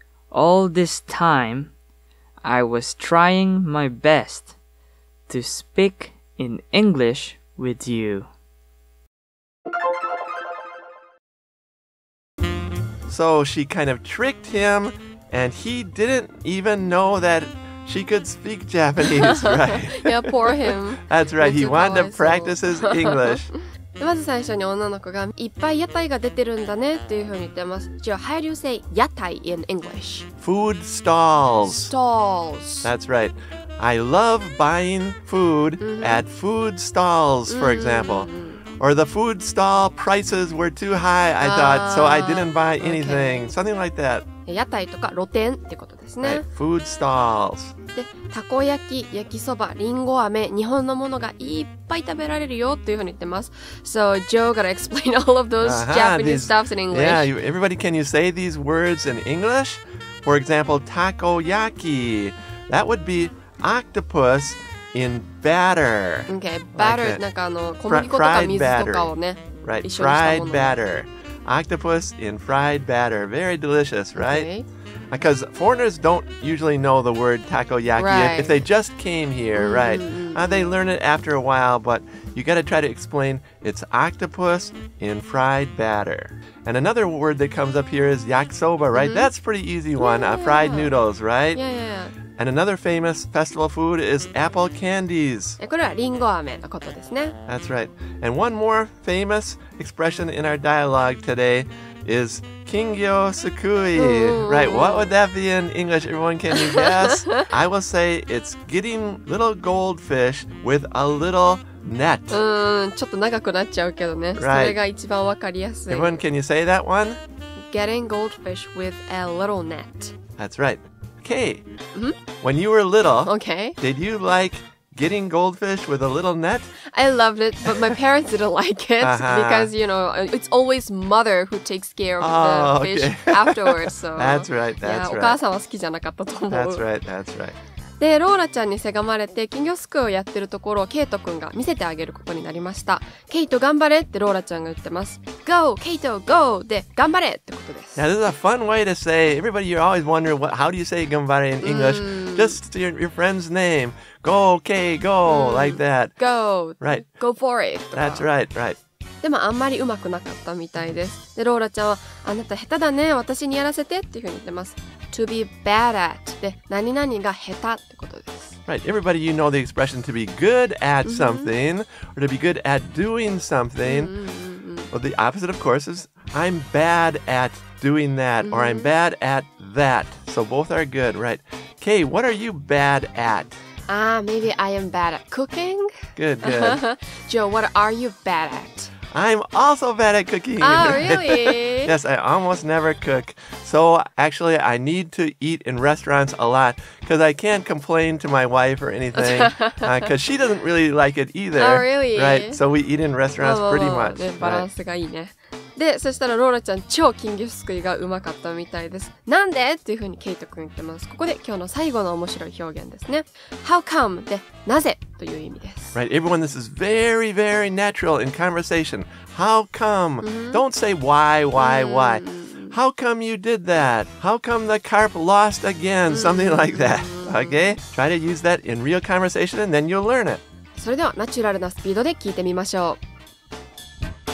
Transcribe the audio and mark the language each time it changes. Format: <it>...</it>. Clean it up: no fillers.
<en>All this time, I was trying my best to speak in English with you. So she kind of tricked him, and he didn't even know that she could speak Japanese, right? Yeah, poor him. That's right, he wound up practicing English.</en> <ja>まず最初に女の子がいっぱい屋台が出てるんだねっていうふうに言ってます。じゃあ、</ja> <en>How do you say 屋台 in English? Food stalls. Stalls. That's right. I love buying food、mm-hmm. at food stalls, for、mm-hmm. example. Or the food stall prices were too high, I thought, so I didn't buy anything.、Okay. Something like that.</en> <ja>屋台とか露店ってことですね。</ja> <en>Right. Food stalls.</en> <ja>で、たこ焼き、焼きそば、りんご飴、日本のものがいっぱい食べられるよっていうふうに言ってます。</ja> <en>So, Joe gotta explain all of those、uh-huh. Japanese these, stuffs in English. Yeah, you, everybody, can you say these words in English? For example, takoyaki. That would be octopus. In batter. Okay, batter. Like a,</en> <ja>なんかあの小麦粉とか水とかをね、</ja> <en>right.</en> <ja>一緒にしたもの。</ja> <en>Right, fried batter. Octopus in fried batter. Very delicious, right? Okay. Because foreigners don't usually know the word takoyaki. Right. If they just came here, mm-hmm. right? They learn it after a while, but you got to try to explain it's octopus in fried batter. And another word that comes up here is yakisoba, right? Mm-hmm. That's a pretty easy one. Yeah, yeah, fried yeah. noodles, right? Yeah. And another famous festival food is apple candies.</en> <ja>これはリンゴ飴のことですね。</ja> <en>That's right. And one more famous expression in our dialogue today is 金魚すくい。 Right, what would that be in English? Everyone, can you guess? I will say it's getting little goldfish with a little net.</en> <ja>ちょっと長くなっちゃうけどね。</ja> <en>Right.</en> <ja>それが一番わかりやすい。</ja> <en>Everyone, can you say that one? Getting goldfish with a little net. That's right. Okay. Mm-hmm. When you were little, okay. did you like getting goldfish with a little net? I loved it, but my parents didn't like it、 uh-huh. because, you know, it's always mother who takes care of、 oh, the、 okay. fish afterwards. So. That's right, that's</en> <ja>お母さんは好きじゃなかったと思う。</ja> <en>That's right, that's right.</en> <ja>で、ローラちゃんにせがまれて金魚すくいをやってるところをケイトくんが見せてあげることになりました。ケイト頑張れってローラちゃんが言ってます。</ja> <en>Go, Keito, go!</en> <ja>で、頑張れってことです。</ja> <en>Now, this is a fun way to say, everybody, you're always wondering, what, how do you say 頑張れ in English?、 Mm. Just your friend's name. Go, Kei, go!、Mm. Like that. Go! Right. Go for it! That's right, right.</en> <ja>でもあんまりうまくなかったみたいです。で、ローラちゃんは、あなた下手だね、私にやらせてっていうふうに言ってます。</ja> <en>To be bad at.</en> <ja>で、何々が下手ってことです。</ja> <en>Right, everybody, you know the expression to be good at something、mm-hmm. or to be good at doing something.、 Mm-hmm. Well, the opposite, of course, is I'm bad at doing that、mm-hmm. or I'm bad at that. So both are good, right? Kay, what are you bad at? Maybe I am bad at cooking. Good, good. Joe, what are you bad at? I'm also bad at cooking. Oh, really? Yes, I almost never cook. So actually, I need to eat in restaurants a lot because I can't complain to my wife or anything because 、she doesn't really like it either. Oh, really? Right, so we eat in restaurants pretty much.</en> <ja>バランスがいいね。で、そしたらローラちゃん超金魚すくいがうまかったみたいです。なんで? っていうふうにケイト君言ってます。ここで今日の最後の面白い表現ですね。</ja> <en>How come?</en> <ja>で、なぜ?という意味です。</ja> <en>Right, everyone, this is very, very natural in conversation. How come?、 Mm-hmm. Don't say why, why.、Mm-hmm. How come you did that? How come the carp lost again?、Mm-hmm. Something like that. Okay? Try to use that in real conversation and then you'll learn it.</en> <ja>それではナチュラルなスピードで聞いてみましょう。</ja>